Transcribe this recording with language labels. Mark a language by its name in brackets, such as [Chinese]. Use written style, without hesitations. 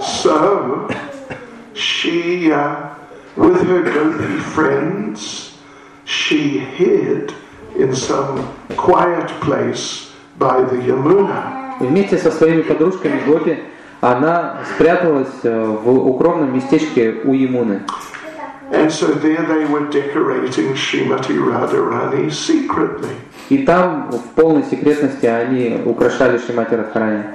[English] So she with her gopi friends, she hid in some quiet place by the Yamuna. [Russian] Вместе со своими подружками гопи она спряталась в укромном местечке у Ямуны. [English] And so there they were decorating Shrimati Radharani secretly. [Russian] И там в полной секретности они украшали Шримати Радхарани.